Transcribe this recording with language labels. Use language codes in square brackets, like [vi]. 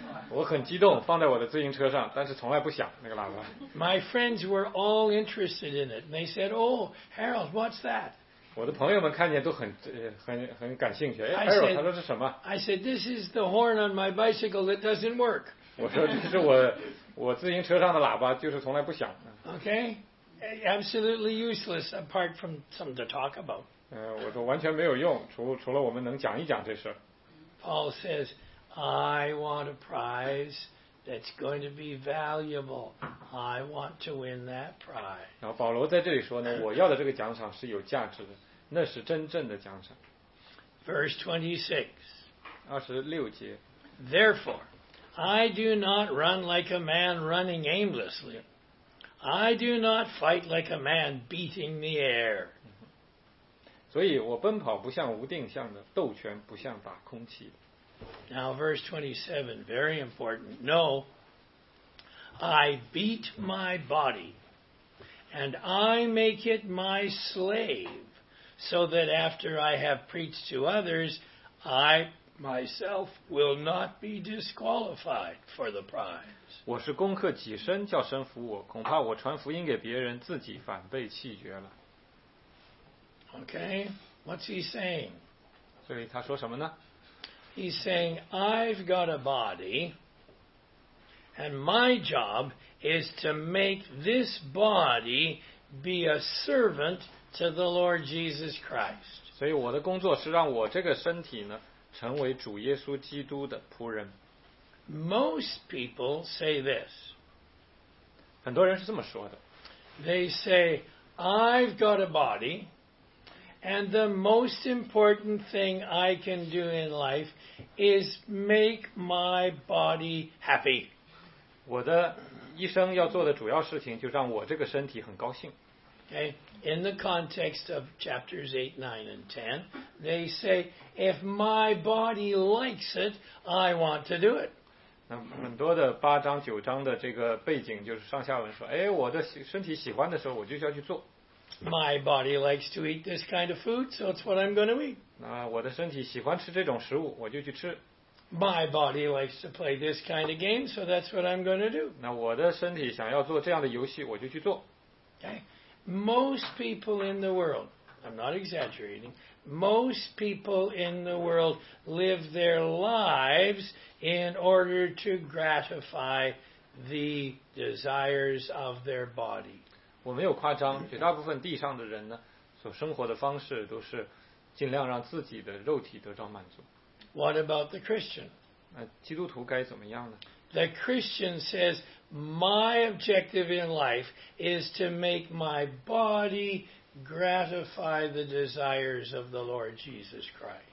[zh] 我很激动，放在我的自行车上，但是从来不响那个喇叭。 [en] My friends were all interested in it. They said, "Oh, Harold, what's that?" [zh] 我的朋友们看见都很感兴趣。哎 ，Harold， 他说是什么 [en] ？I said this is the horn on my bicycle that doesn't work。 [zh] 我说这是我自行车上的喇叭，就是从来不响。 [en] Okay, absolutely useless apart from something to talk about。 [zh] 我说完全没有用，除了我们能讲一讲这事。 [en] Paul says, I want a prize. That's going to be valuable. I want to win that prize. [zh] 然后保罗在这里说呢，我要的这个奖赏是有价值的，那是真正的奖赏。 [en] Verse 26. Therefore, I do not run like a man running aimlessly. I do not fight like a man beating the air. [zh] 所以我奔跑不像无定向的，斗拳不像打空气的。 [en] Now verse 27, very important. No, I beat my body, and I make it my slave, so that after I have preached to others, I myself will not be disqualified for the prize. [zh] 我是攻克己身，叫身服我，恐怕我传福音给别人，自己反被弃绝了。 [en] Okay, what's he saying? [zh] 这里他说什么呢？ [en] He's saying, I've got a body, and my job is to make this body be a servant to the Lord Jesus Christ. [zh] 所以我的工作是让我这个身体呢，成为主耶稣基督的仆人。 [en] Most people say this. [zh] 很多人是这么说的。 [en] They say, I've got a body, and the most important thing I can do in life is make my body happy. [zh] 我的一生要做的主要事情就让我这个身体很高兴。 [en] Okay, in the context of chapters 8, 9, and 10, they say, if my body likes it, I want to do it. [zh] 那很多的八章、九章的这个背景就是上下文说，哎，我的身体喜欢的时候，我就要去做。 [en] My body likes to eat this kind of food, so it's what I'm going to eat. [zh] 那我的身体喜欢吃这种食物，我就去吃。 [en] My body likes to play this kind of game, so that's what I'm going to do. [zh] 那我的身体想要做这样的游戏，我就去做。 [en] Okay. Most people in the world, I'm not exaggerating, most people in the world live their lives in order to gratify the desires of their body. [zh] 我没有夸张，绝大部分地上的人呢，所生活的方式都是尽量让自己的肉体得到满足。 [en] What about the Christian? [zh] 那基督徒该怎么样呢？ [en] The Christian says, my objective in life is to make my body gratify the desires of the Lord Jesus Christ.